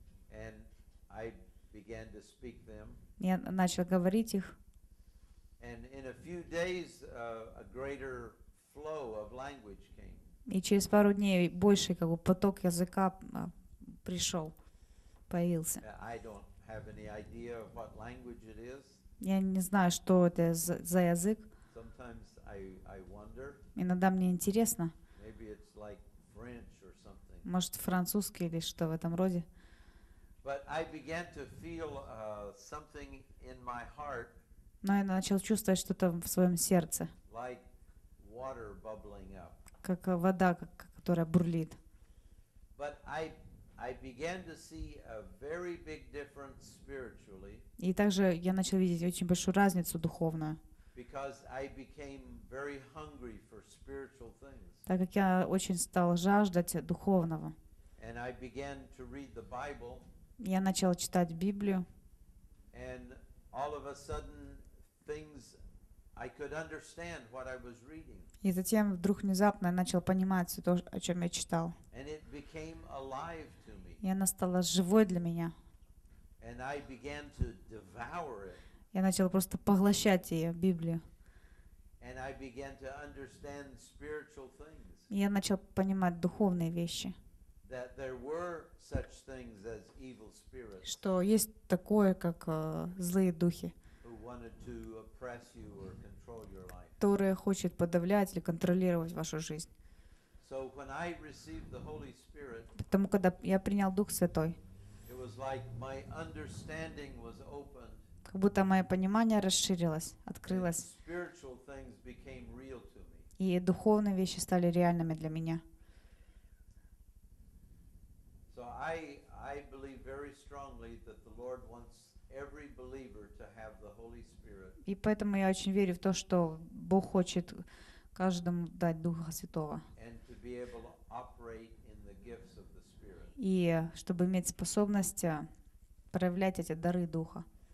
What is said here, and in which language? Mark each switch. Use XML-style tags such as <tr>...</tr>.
<en>And I began to speak them.</en> <ru>Я начал говорить их.</ru> <en>And in a few days, a greater flow of language came.</en> <ru>И через пару дней больше как бы поток языка пришел, появился.</ru> <en>I don't have any idea of what language it is.</en> <ru>Я не знаю, что это за язык.</ru> <en>Sometimes I wonder.</en> <ru>Иногда мне интересно.</ru> <en>Maybe it's like French or something.</en> <ru>Может, французский или что в этом роде.</ru> <en>But I began to feel something in my heart.</en> <ru>Но я начал чувствовать что-то в своем сердце.</ru> <en>Like water bubbling up.</en> <ru>Как вода, которая бурлит.</ru> <en>But I began to see a very big difference spiritually.</en> <ru>И также я начал видеть очень большую разницу духовную.</ru> <en>Because I became very hungry for spiritual things.</en> <ru>Так как я очень стал жаждать духовного.</ru> <en>And I began to read the Bible.</en> <ru>Я начал читать Библию.</ru> <en>And all of a sudden things I could understand what I was reading.</en> <ru>И затем вдруг внезапно я начал понимать все то, о чем я читал.</ru> <en>And it became alive to me.</en> <ru>И она стала живой для меня.</ru> <en>And I began to devour it.</en> <ru>Я начал просто поглощать ее, Библию.</ru> <en>And I began to understand spiritual things.</en> <ru>И я начал понимать духовные вещи.</ru> <en>That there were such things as evil spirits.</en> <ru>Что есть такое, как злые духи,</ru> <en>who wanted to oppress you or control your life.</en> <ru>Которые хочет подавлять или контролировать вашу жизнь.</ru> <en>So when I received the Holy Spirit,</en> <ru>потому когда я принял Дух Святой,</ru> <en>it was like my understanding was opened.</en> <ru>Как будто мое понимание расширилось, открылось.</ru> <en>Spiritual things became real to me.</en> <ru>И духовные вещи стали реальными для меня.</ru> <en>So I believe very strongly that the Lord wants every believer to have the Holy Spirit.</en> <ru>И поэтому я очень верю в то, что Бог хочет каждому дать Духа Святого.</ru> <en>And to be able to operate in the gifts of the Spirit.</en> <ru>И чтобы иметь способность проявлять эти дары Духа.</ru>